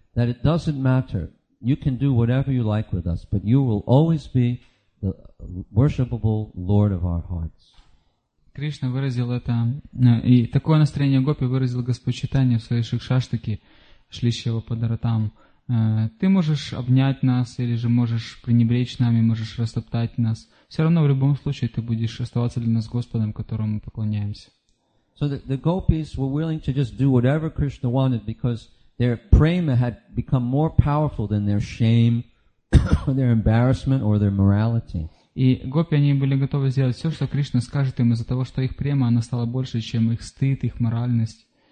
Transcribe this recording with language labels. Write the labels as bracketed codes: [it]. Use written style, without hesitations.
[en] That it doesn't matter. You can do whatever you like with us, but you will always be the worshipable Lord of our hearts. [ru] Кришна выразил это, и такое настроение гопи выразил Господь Чайтанья в своей шикшаштике, шлищего подаратам. Ты можешь обнять нас, или же можешь пренебречь нами, можешь растоптать нас. Все равно в любом случае ты будешь оставаться для нас Господом, которому мы поклоняемся. [en] So the gopis were willing to just do whatever Krishna wanted because their prema had become more powerful than their shame, their embarrassment or their morality. [ru] И гопи, они были готовы сделать все, что Кришна скажет им, из-за того, что их према, она стала больше, чем их стыд, их моральность.